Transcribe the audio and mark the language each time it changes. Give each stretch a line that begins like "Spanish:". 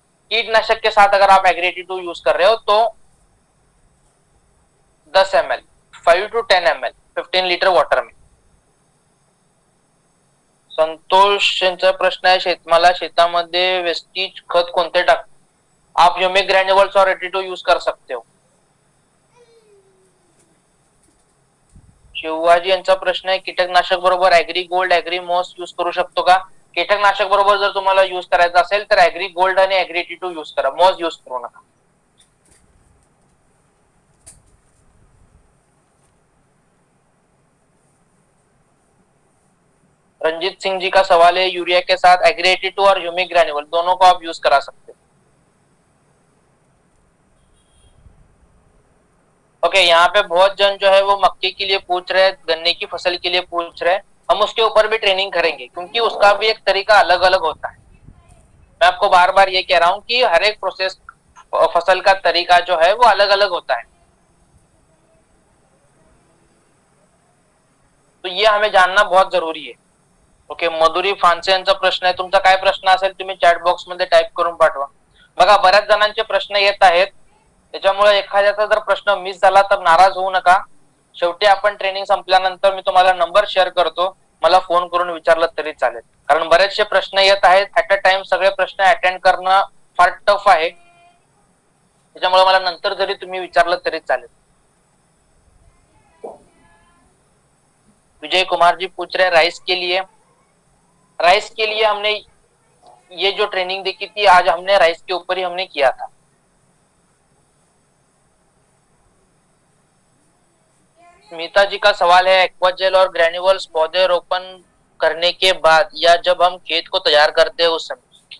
Hindi: कीटनाशक के साथ अगर आप एग्रीटी टू यूज कर रहे हो तो 10 ml, 5 to 10 ml, 15 litre water में।
Marathi: संतोष यांचा प्रश्न आहे, शेतमाला शेतामध्ये वेस्टीज खत कोणते टाक?
Hindi: आप ह्यूमिक ग्रेन्युअल्स और 82 यूज कर सकते हो।
Marathi: शिवाजी यांचा प्रश्न आहे, कीटकनाशक बरोबर agree gold agree MOS use करू शकतो का? कीटकनाशक बरोबर जर तुम्हाला यूज करायचं असेल तर एग्री गोल्ड आणि एग्री 82 यूज करा, मॉस यूज करू नका।
Hindi: रंजीत सिंह जी का सवाल है, यूरिया के साथ एग्री 82 और ह्यूमिक ग्रेन्युअल दोनों को आप यूज करा सकते हो। ओके, यहाँ पे बहुत जन जो है वो मक्के के लिए पूछ रहे हैं, गन्ने की फसल के लिए पूछ रहे हैं, हम उसके ऊपर भी ट्रेनिंग करेंगे क्योंकि उसका भी एक तरीका अलग अलग होता है। मैं आपको बार बार ये कह रहा हूँ कि हर एक प्रोसेस फसल का तरीका जो है वो अलग अलग होता है, तो ये हमें जानना बहुत जरूरी है।
Marathi: ओके, मधुरी फांसे यांचा प्रश्न है, तुमचा काय प्रश्न असेल तुम्ही चॅट बॉक्स मध्ये टाइप करून पाठवा। बघा, बऱ्याच जणांचे प्रश्न येत आहेत, त्याच्यामुळे एखाद्याचा जर प्रश्न मिस झाला तर नाराज होऊ नका। शेवटी आपण ट्रेनिंग संपल्यानंतर मी तुम्हाला नंबर शेअर करतो, मला फोन करून विचारलं तरी चालेल, कारण बरेचसे प्रश्न येत आहेत, ऍट अ टाइम सगळे प्रश्न अटेंड करणं फार टफ आहे, त्याच्यामुळे मला नंतर जरी तुम्ही विचारलं तरी चालेल।
Hindi: विजय कुमार जी पूछ रहे, राईस के लिए हमने ये जो ट्रेनिंग देखी थी आज हमने राईस के ऊपर ही हमने किया था। मीता जी का सवाल है, एक्वाजेल और ग्रेन्युअल्स पौधे रोपण करने के बाद या जब हम खेत को तैयार करते हैं उस समय?